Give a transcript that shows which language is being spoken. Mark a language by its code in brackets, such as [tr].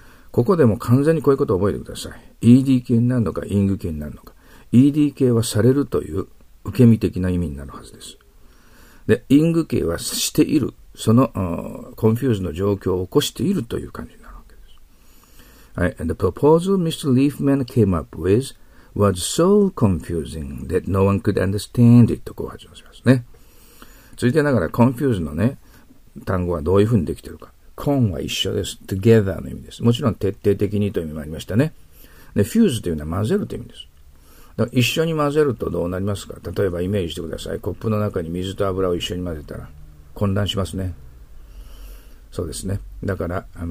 [ja] ここでも完全にこういうことを覚えてください。ED 系になるのか、ing 系になるのか。 ED 系はされるという受け身的な意味になるはずです。で、ing 系はしている。その、コンフューズの状況を起こしているという感じになるわけです。はい。 [en] And the proposal Mr. Leafman came up with was so confusing that no one could understand it [ja] とこう始まりますね。続いてながら、コンフューズのね、単語はどういうふうにできているか。コンは一緒です。together の意味です。もちろん徹底的にという意味もありましたね。で、fuse というのは混ぜるという意味です。だから一緒に混ぜるとどうなりますか?例えばイメージしてください。コップの中に水と油を一緒に混ぜたら。混乱しますね。そうですね。だから、